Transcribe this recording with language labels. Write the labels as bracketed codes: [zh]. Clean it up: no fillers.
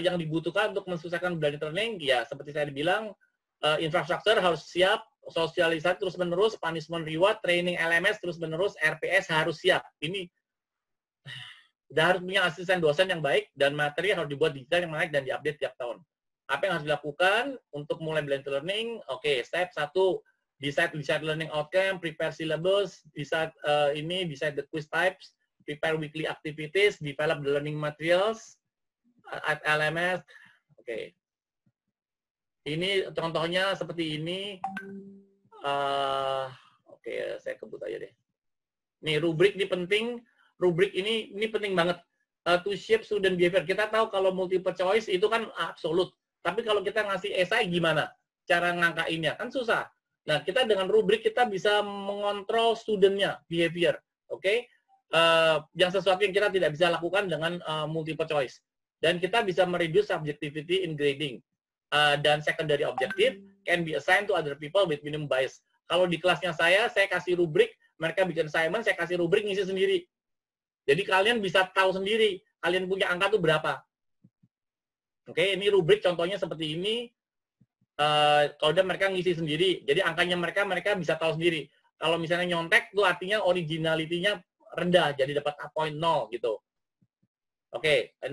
[id] Yang dibutuhkan untuk mensukseskan blended learning, ya seperti saya bilang, infrastruktur harus siap, sosialisasi terus-menerus, punishment reward, training LMS terus-menerus, RPS harus siap. Ini udah harus punya asisten dosen yang baik, dan materi harus dibuat digital yang menarik dan diupdate tiap tahun. Apa yang harus dilakukan untuk mulai blended learning? [en] Oke, okay, step 1. Decide learning outcome, prepare syllabus, decide the quiz types, prepare weekly activities, develop the learning materials at LMS. Oke. Okay. [id] Ini contohnya seperti ini. Oke, okay, saya kebut aja deh. Nih, rubrik ini penting. Rubrik ini penting banget. [en] To shape student behavior. [id] Kita tahu kalau multiple choice itu kan absolut. Tapi kalau kita ngasih esai gimana? Cara ngangkainnya kan susah. Nah, kita dengan rubrik kita bisa mengontrol student-nya, behavior, oke? Okay? Yang sesuatu yang kita tidak bisa lakukan dengan multiple choice. Dan kita bisa mereduce [en] subjectivity in grading. [id] Dan [en] secondary objective can be assigned to other people with minimum bias. [id] Kalau di kelasnya saya kasih rubrik, mereka bikin assignment, saya kasih rubrik, ngisi sendiri. Jadi kalian bisa tahu sendiri, kalian punya angka itu berapa. Oke, okay? Ini rubrik contohnya seperti ini. Kalau udah mereka ngisi sendiri, jadi angkanya mereka bisa tahu sendiri. Kalau misalnya nyontek, itu artinya originality-nya rendah, jadi dapat 0 gitu. Oke, okay.